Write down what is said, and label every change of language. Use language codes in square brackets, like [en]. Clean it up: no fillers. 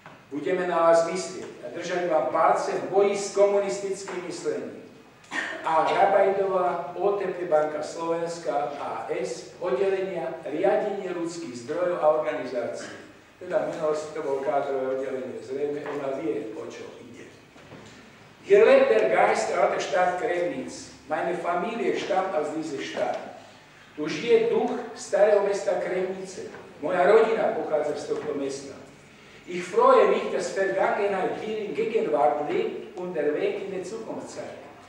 [sk] Budeme na vás myslieť a držať vám palce v boji s komunistickým myslením. A. Rabajdová, OTP Banka Slovenska, AS, oddelenia, riadenie ľudských zdrojov a organizácií. Teda minulosti to bol kádrové oddelenie, zrejme ona vie, o čo ide. [de] Hier lebt der Geist, alte Stadt Kremnitz, meine Familie stammt aus dieser Stadt. [sk] Tu žije duch starého mesta Kremnice, moja rodina pochádza z tohto mesta. [de] Ich freue mich, dass Vergangenheit hier in Gegenwart lebt und der Weg in der Zukunft zeigt.